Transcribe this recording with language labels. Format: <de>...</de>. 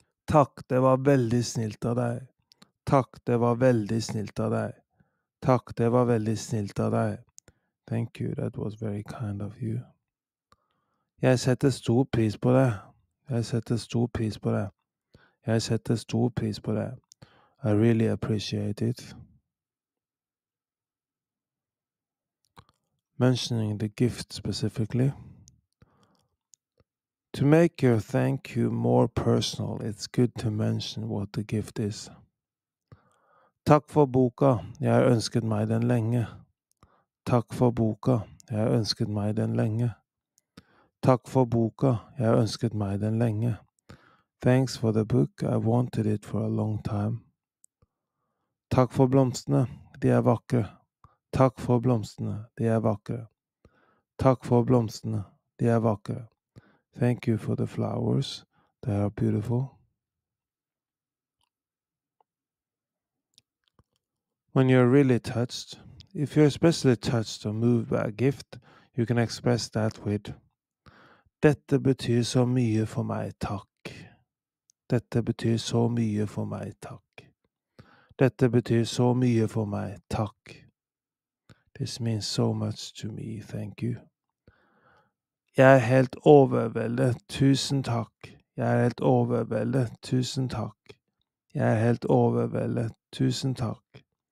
<no>Takk, det var veldig snilt av deg. Takk, det var veldig snilt av deg. Takk, det var veldig snilt av deg.</no> <en>Thank you, that was very kind of you.</en> <no>Jeg setter stor pris på det. Jeg setter stor pris på det. Jeg setter stor pris på det.</no> <en>I really appreciate it. Mentioning the gift specifically. To make your thank you more personal, it's good to mention what the gift is.</en> <no>Takk for boka. Jeg har ønsket meg den lenge. Takk for boka. Jeg har ønsket meg den lenge. Takk for boka. Jeg har ønsket meg den lenge.</no> <en>Thanks for the book. I wanted it for a long time.</en> <no>Takk for blomstene. De er vakre. Takk for blomstene. De er vakre. Takk for blomstene. De er vakre.</no> <en>Thank you for the flowers. They are beautiful. When you're really touched, if you're especially touched or moved by a gift, you can express that with</en> <no>Dette betyr så mye for meg, takk. Dette betyr så mye for meg, takk. Dette betyr så mye for meg, takk.</no> <en>This means so much to me, thank you.</en> <no>Jeg er helt overveldet, tusen takk. Jeg er helt overveldet, tusen takk. Jeg er helt overveldet, tusen takk.</no>